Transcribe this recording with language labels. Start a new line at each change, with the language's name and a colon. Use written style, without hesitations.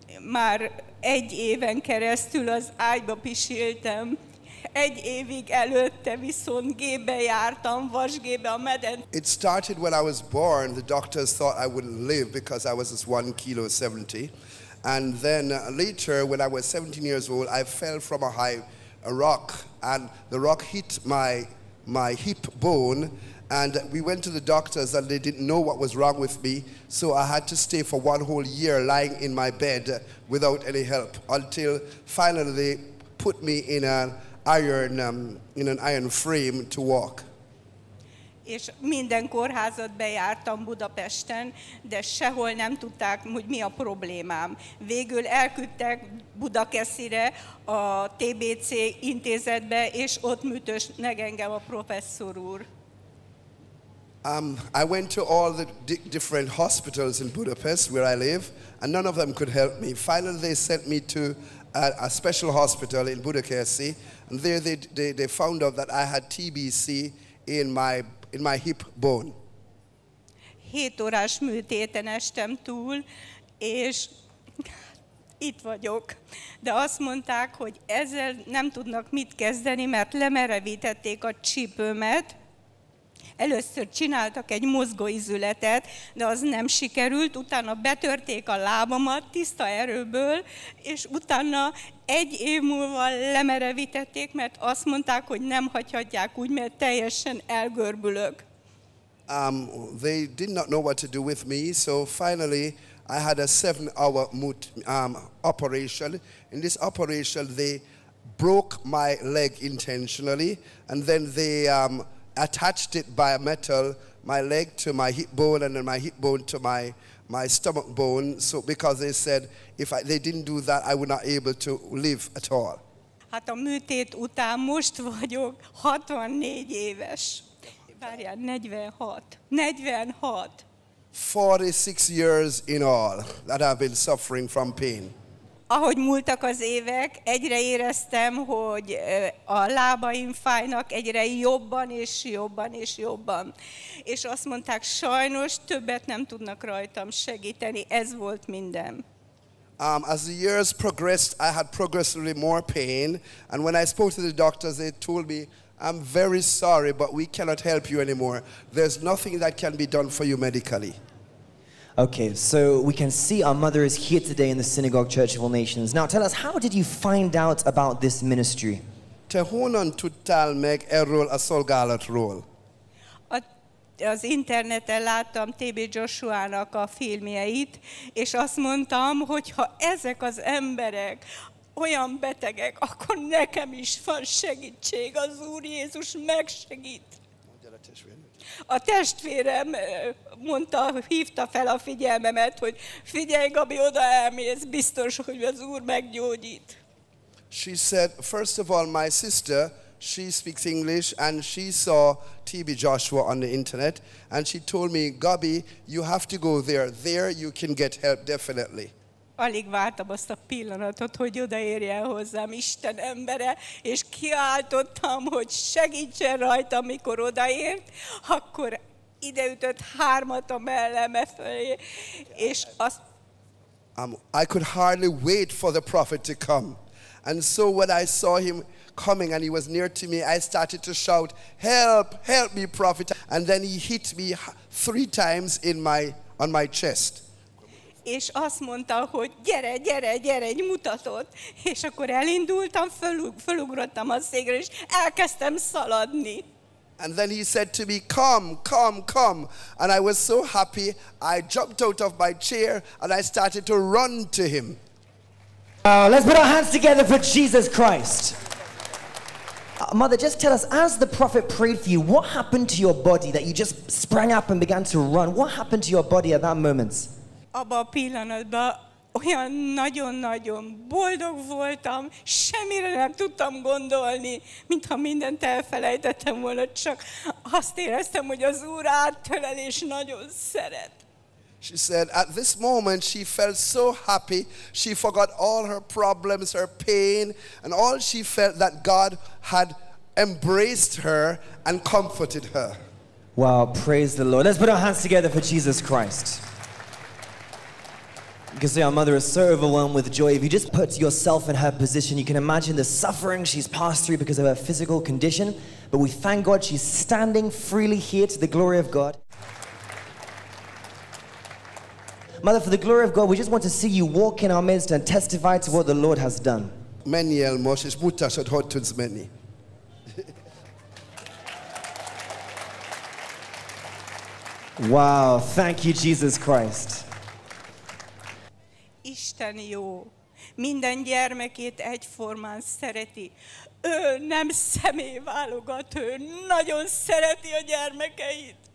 Hungarian: Már egy éven keresztül az ágyba pisiltem. Egy évig előtte viszont gébe jártam, vasgébe a meden.
English: It started when I was born. The doctors thought I wouldn't live because I was just 1,70 kg. And then later, when I was 17 years old, I fell from a rock. And the rock hit my hip bone. And we went to the doctors and they didn't know what was wrong with me. So I had to stay for one whole year lying in my bed without any help until finally they put me in an iron frame to walk.
Hungarian: És minden kórházat bejártam Budapesten, de sehol nem tudták, hogy mi a problémám. Végül elküldtek Budakeszire a TBC intézetbe, és ott műtösnek engem a professzor úr.
English: I went to all the different hospitals in Budapest where I live, and none of them could help me. Finally they sent me to a special hospital in Budakeszi, and there they found out that I had TBC in my hip bone.
Hungarian: 7 órás műtéten estem túl, és itt vagyok. De azt mondták, hogy ezzel nem tudnak mit kezdeni, mert lemerevítették a csípőmet. Először csináltak egy mozgóizületet, de az nem sikerült, utána betörték a lábamat tiszta erőből, és utána egy év múlva lemerevítették, mert azt mondták, hogy nem hagyhatják úgy, mert teljesen elgörbülök.
English: They did not know what to do with me, so finally I had a 7-hour operation. In this operation they broke my leg intentionally, and then they attached it by a metal, my leg to my hip bone, and then my hip bone to my stomach bone, so because they said if they didn't do that, I would not be able to live at all.
Hungarian: Hát a műtét után most vagyok 64 éves. Várjál, 46. 46.
English: 46 years in all that I've been suffering from pain.
Hungarian: Ahogy múltak az évek, egyre éreztem, hogy a lábaim fájnak egyre jobban és jobban és jobban. És azt mondták, sajnos többet nem tudnak rajtam segíteni. Ez volt minden.
English: As the years progressed, I had progressively more pain. And when I spoke to the doctors, they told me, I'm very sorry, but we cannot help you anymore. There's nothing that can be done for you medically. Okay, so we can see our mother is here today in the Synagogue Church of All Nations. Now tell us, how did you find out about this ministry?
Hungarian: Tehonan tudtál meg erről a szolgálatról? Az interneten láttam T.B. Joshua-nak a filmjeit, és azt mondtam, hogy ha ezek az emberek olyan betegek, akkor nekem is van segítség, az Úr Jézus megsegít. A testvérem mondta, hívta fel a figyelmemet, hogy figyelj, Gabi, oda elmész, biztos, hogy az Úr meggyógyít.
English: She said, first of all, my sister, she speaks English, and she saw T.B. Joshua on the internet, and she told me, Gabi, you have to go there. There you can get help, definitely.
Hungarian: Alig vártam azt a pillanatot, hogy odaérjen hozzám Isten embere, és kiáltottam, hogy segítsen rajta, amikor odaért, akkor ideütött hármat a melleme felé, és azt...
English: I could hardly wait for the prophet to come. And so when I saw him coming and he was near to me, I started to shout, help, help me, prophet. And then he hit me 3 times on my chest.
Hungarian: És azt mondta, hogy gyere, gyere, gyere, nyugtatott. És akkor elindultam, fölugrottam a székre, és elkezdtem szaladni.
English: And then he said to me, come, come, come. And I was so happy, I jumped out of my chair and I started to run to him. Let's put our hands together for Jesus Christ. Mother, just tell us, as the prophet prayed for you, what happened to your body that you just sprang up and began to run? What happened to your body at that moment?
Hungarian: Abba a pillanatban olyan nagyon-nagyon boldog voltam, semmire nem tudtam gondolni, mintha mindent elfelejtettem volna, csak azt éreztem, hogy az Úr áttölel és nagyon szeret.
English: She said, at this moment she felt so happy, she forgot all her problems, her pain, and all she felt that God had embraced her and comforted her. Wow, praise the Lord. Let's put our hands together for Jesus Christ. You can see our mother is so overwhelmed with joy. If you just put yourself in her position, you can imagine the suffering she's passed through because of her physical condition. But we thank God she's standing freely here to the glory of God. Mother, for the glory of God, we just want to see you walk in our midst and testify to what the Lord has done.
Hungarian: Mennyi elmos, és mutasod, hogy tudsz menni.
English: Wow, thank you, Jesus Christ.
Hungarian: Isten jó. Minden gyermekét egyformán szereti. Ő nem személyválogat, ő nagyon szereti a gyermekeit.